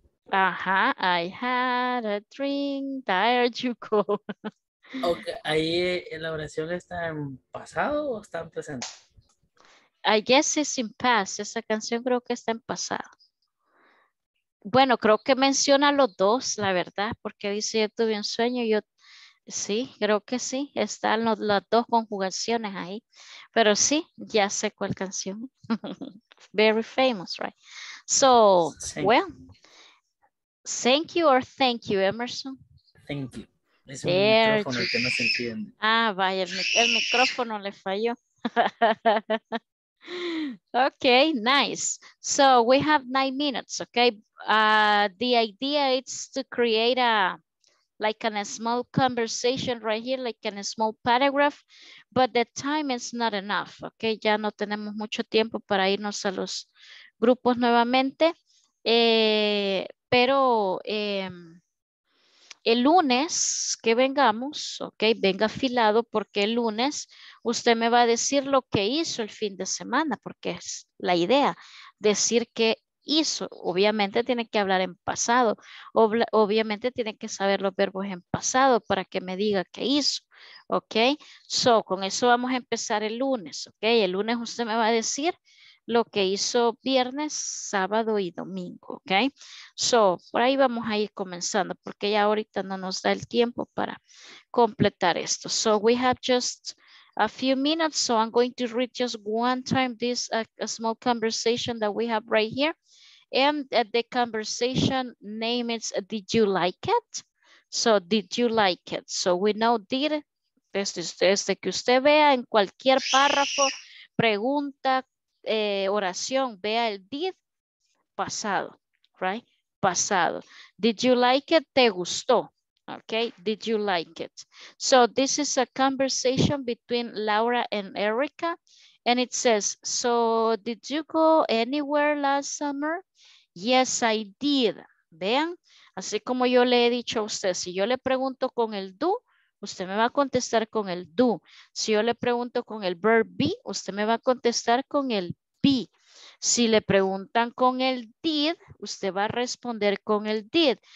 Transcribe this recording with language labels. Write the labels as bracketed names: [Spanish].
[English] Ajá, I had a dream, there you go. Okay. [Spanish] ¿Ahí la oración está en pasado o está en presente? [English] I guess it's in past. [Spanish] Esa canción creo que está en pasado. Bueno, creo que menciona los dos, la verdad, porque dice yo tuve un sueño y yo... Sí, creo que sí, están los, las dos conjugaciones ahí, pero sí, ya sé cuál canción, [English] very famous, right? So, thank well, thank you or thank you, Emerson. Thank you, [Spanish] es un micrófono el que no se entiende. Ah, vaya, el micrófono le falló. [English] Okay, nice. So, we have 9 minutes, okay? The idea is to create a... like in a small conversation right here, like in a small paragraph, but the time is not enough, okay? [Spanish] Ya no tenemos mucho tiempo para irnos a los grupos nuevamente, pero el lunes que vengamos, okay, venga afilado, porque el lunes usted me va a decir lo que hizo el fin de semana, porque es la idea, decir que hizo, obviamente tiene que hablar en pasado, obviamente tiene que saber los verbos en pasado para que me diga qué hizo, ok, so con eso vamos a empezar el lunes, ok, el lunes usted me va a decir lo que hizo viernes, sábado y domingo, ok, so por ahí vamos a ir comenzando porque ya ahorita no nos da el tiempo para completar esto, [English] so we have just a few minutes, so I'm going to read just one time this a small conversation that we have right here. And the conversation name is, did you like it? So, did you like it? So, we know did, [Spanish] desde que usted vea en cualquier párrafo, pregunta, oración, vea el did, pasado, right? Pasado. [English] Did you like it? [Spanish] Te gustó. [English] Okay, did you like it? So this is a conversation between Laura and Erica. And it says, so did you go anywhere last summer? Yes, I did. [Spanish] Vean, así como yo le he dicho a usted, si yo le pregunto con el do, usted me va a contestar con el do. Si yo le pregunto con el verb be, usted me va a contestar con el be. Si le preguntan con el did, usted va a responder con el did.